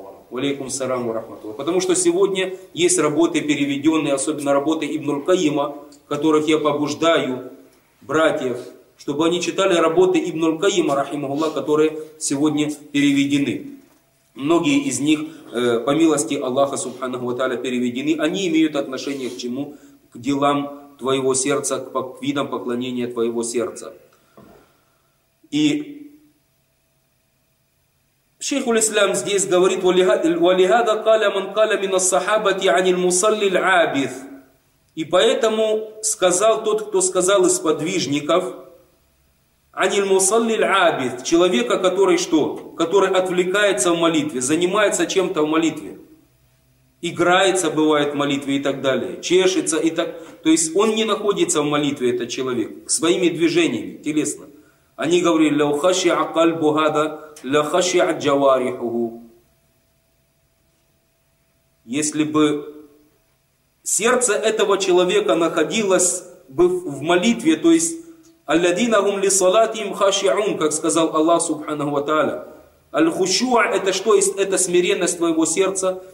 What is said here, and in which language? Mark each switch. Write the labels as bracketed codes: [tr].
[ru] Алейкум салам ва рахматуллах. Потому что сегодня есть работы переведенные, особенно работы Ибнуль Каима, которых я побуждаю, братьев, чтобы они читали работы Ибнуль Каима, рахимахуллах, которые сегодня переведены. Многие из них, по милости Аллаха, субханаху ва тааля, переведены. Они имеют отношение к чему? К делам твоего сердца, к видам поклонения твоего сердца. [ar] И شيخ الإسلام [ru] здесь говорит, [ar] ولهذا قال من قال من الصحابة عن المصلي العابث. [ru] И поэтому сказал тот, кто сказал из подвижников, [ar] عن المصلي العابث, [ru] человека, который что? Который отвлекается в молитве, занимается чем-то в молитве. Играется, бывает, в молитве и так далее. Чешется и так. То есть он не находится в молитве, этот человек, своими движениями телесно. Они говорили, [ar] لو خشع قلب هذا لخشع جوارحه. [ru] Если бы сердце этого человека находилось бы в молитве, то есть [ar] الذين هم لصلاتهم خاشعون, [ru] как сказал Аллах субханаху ва тааля. Аль-хушуа — это что? Это смиренность твоего сердца.